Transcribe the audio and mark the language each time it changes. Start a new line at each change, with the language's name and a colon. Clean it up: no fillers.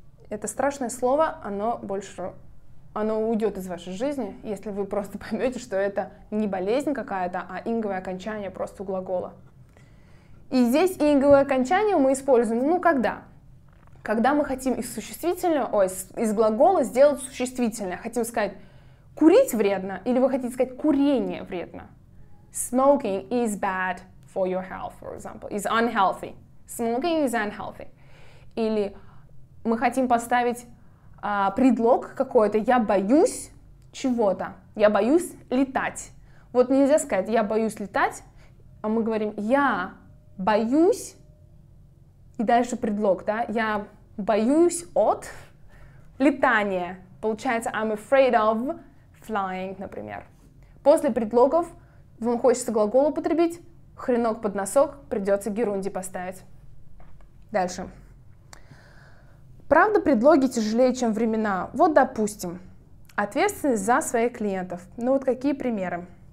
Russian: Это страшное слово, оно больше... Оно уйдет из вашей жизни, если вы просто поймете, что это не болезнь какая-то, а инговое окончание просто у глагола. И здесь инговое окончание мы используем, ну, когда? Когда мы хотим из существительного, ой, из глагола сделать существительное. Хотим сказать, курить вредно, или вы хотите сказать, курение вредно.
English: Smoking is bad for your health, for example. Is unhealthy. Smoking is unhealthy.
Russian: Или мы хотим поставить предлог какой-то, я боюсь чего-то, я боюсь летать. Вот нельзя сказать, я боюсь летать, а мы говорим, я боюсь, и дальше предлог, да, я боюсь от летания. Получается,
English: I'm afraid of flying,
Russian: например. После предлогов вам хочется глагол употребить, хренок под носок, придется герунди поставить. Дальше. Правда, предлоги тяжелее, чем времена. Вот, допустим, ответственность за своих клиентов. Ну вот какие примеры?